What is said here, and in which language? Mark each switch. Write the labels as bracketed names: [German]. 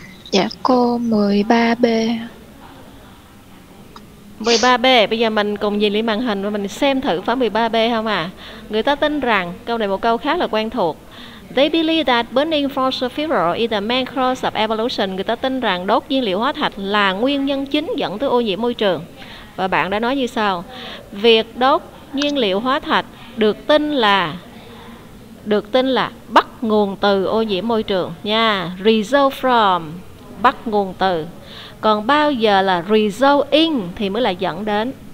[Vietnamese] Dạ cô, 13B. 13B, bây giờ mình cùng nhìn lên màn hình và mình xem thử phải 13B không à. Người ta tin rằng, câu này một câu khá là quen thuộc. [English] They believe that burning fossil fuel is the main cause of evolution. [Vietnamese] Người ta tin rằng đốt nhiên liệu hóa thạch là nguyên nhân chính dẫn tới ô nhiễm môi trường. Và bạn đã nói như sau: việc đốt nhiên liệu hóa thạch được tin là bắt nguồn từ ô nhiễm môi trường nha. Result from, bắt nguồn từ. Còn bao giờ là result in thì mới là dẫn đến.